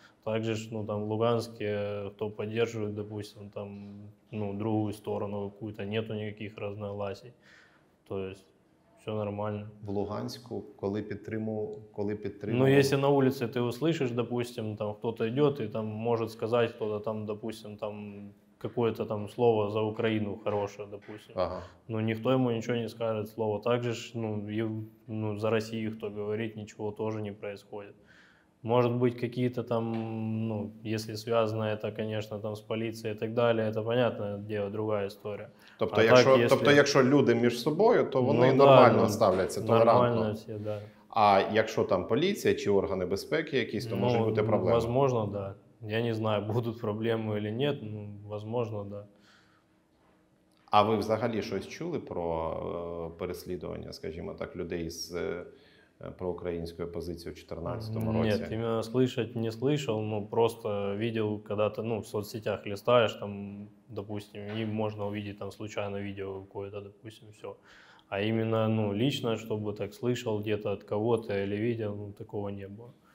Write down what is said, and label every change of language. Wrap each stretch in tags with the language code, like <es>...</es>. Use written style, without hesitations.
<uk>Також ж, ну, там в Луганську, хто підтримує, допустим, там, ну, другу сторону якусь, нету ніяких разнолазій. Тобто, все нормально. В Луганську, коли підтримую, коли підтримую. Ну, якщо на вулиці ти услышиш, допустим, там хтось йде, і там може сказати, хтось там, допустим, там</uk> <ru>какое-то там слово за Украину хорошее,</ru> <uk>допустим. Ага.</uk> <ru>Но никто ему ничего не скажет слово. Также, ну, и, ну, за Россию кто говорит, ничего тоже не происходит. Может быть, какие-то там, ну, если связано это, конечно, там с полицией и так далее, это понятное дело, другая история.</ru> <uk>Тобто, а якщо, так,</uk> <ru>если...</ru> <uk>тобто, якщо люди між собою, то вони, ну, нормально, да, ставляться, толерантно.</uk> <ru>Нормально все, да.</ru> <uk>А якщо там поліція чи органи безпеки якісь, то, ну, може бути проблема.</uk> <ru>Возможно, да. Я не знаю, будут проблемы или нет, ну, возможно, да.</ru> <uk>А ви взагалі щось чули про переслідування, скажімо так, людей з проукраїнською позицією в 14-му році?</uk> <ru>Нет, именно слышать не слышал, но просто видел, когда ты, ну, в соцсетях листаешь, там, допустим, и можно увидеть там случайно видео какое-то, допустим, все. А именно, ну, лично, чтобы так слышал где-то от кого-то или видел, ну, такого не было.</ru>